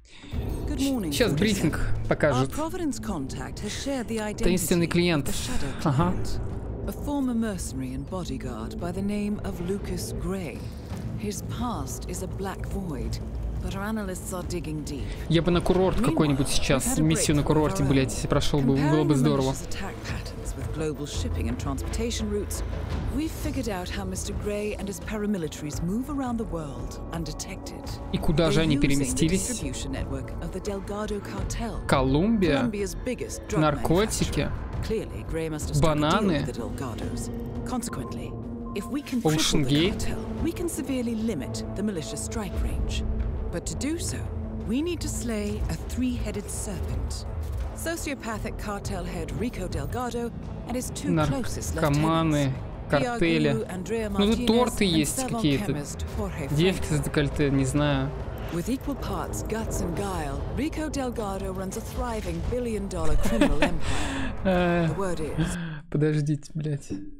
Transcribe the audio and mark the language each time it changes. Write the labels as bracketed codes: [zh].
[ru] Сейчас брифинг покажет. Таинственный клиент. Ага. Я бы на курорт какой-нибудь сейчас, миссию на курорте, блядь, прошел бы, было бы здорово. [en] Global shipping and transportation routes, we've figured out how Mr. Gray and his paramilitaries move around the world undetected. [ru] И куда же они переместились? Колумбия? Наркотики? Бананы? [en] Consequently, if we can cripple the cartel, we can severely limit the militia strike range. But to do so, we need to slay a three-headed serpent. Sociopathic cartel head Rico Delgado and his two closest lieutenants. [ru] Ну тут торты есть какие-то. Девки за декольте, не знаю. [en] With equal parts guts and guile, Rico Delgado runs a thriving billion-dollar criminal empire. [ru] Подождите, блять.